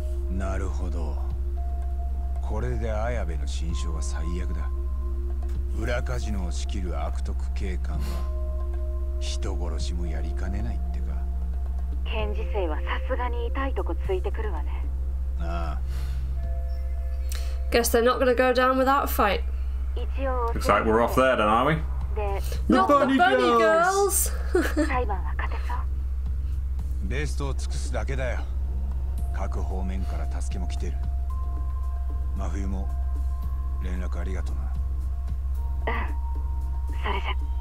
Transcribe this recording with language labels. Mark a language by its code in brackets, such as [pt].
[ja] なるほど。これで綾部の心象は最悪だ。裏カジノを仕切る悪徳警官は人殺しもやりかねないってか。検事生はさすがに痛いとこついてくるわね。ああ。 [en] Guess they're not gonna go down without a fight. Looks like we're off there, then, are we? Not the bunny girls. [ja] 裁判は勝てそう。ベストを尽くすだけだよ。各方面から助けも来てる。真冬も連絡ありがとうな。うん。それじゃ。